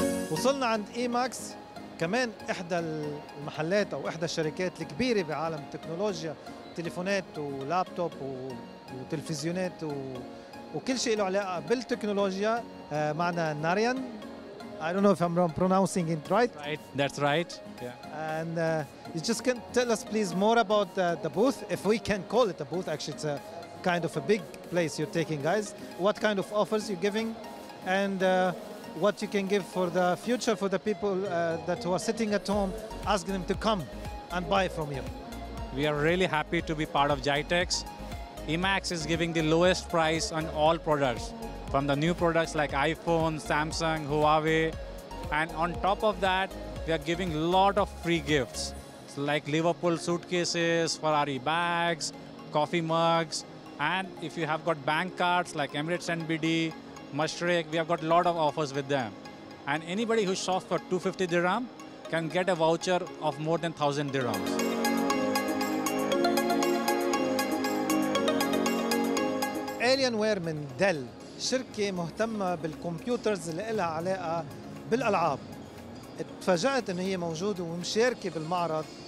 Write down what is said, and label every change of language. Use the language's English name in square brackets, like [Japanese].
[Arabic] وصلنا عند إيماكس، كمان إحدى المحلات أو إحدى الشركات الكبيرة بعالم التكنولوجيا، تليفونات ولابتوب وتلفزيونات وكل شيء له علاقه بالتكنولوجيا. معنا ناريان. [English] I don't know if I'm pronouncing it right. Right, that's right. Yeah. And you just can tell us please more about the booth, if we can call it a booth. Actually, it's a kind of a big place you're taking, guys. What kind of offers you're giving, and what you can give for the future for the people that who are sitting at home, asking them to come and buy from you. We are really happy to be part of Jaitex. IMAX is giving the lowest price on all products, from the new products like iPhone, Samsung, Huawei. And on top of that, we are giving a lot of free gifts, like Liverpool suitcases, Ferrari bags, coffee mugs. And if you have got bank cards like Emirates NBD, Mashreq, we have got a lot of offers with them. And anybody who shops for 250 dirham can get a voucher of more than 1,000 dirhams. [Arabic] Alienware من ديل، شركة مهتمة بالكمبيوترز اللي لها علاقة بالألعاب. اتفاجأت إنه هي موجودة ومشاركة بالمعرض.